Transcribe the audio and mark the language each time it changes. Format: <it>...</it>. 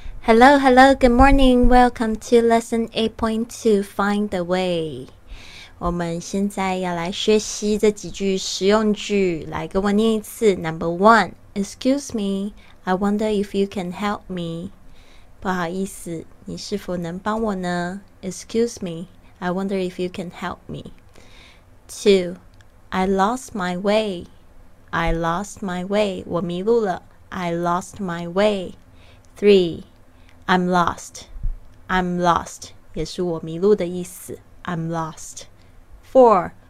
<en>Hello, hello, good morning. Welcome to Lesson 8.2, Find the Way.</en> <zh>我们现在要来学习这几句实用句。来跟我念一次。</zh> <en>Number one, excuse me, I wonder if you can help me.</en> <zh>不好意思，你是否能帮我呢？</zh> <en>Excuse me, I wonder if you can help me. Two, I lost my way. I lost my way.</en> <zh>我迷路了。</zh> <en>I lost my way. Three,I'm lost. I'm lost.</en> <zh>也是我迷路的意思。</zh> <en>I'm lost. Four.</en>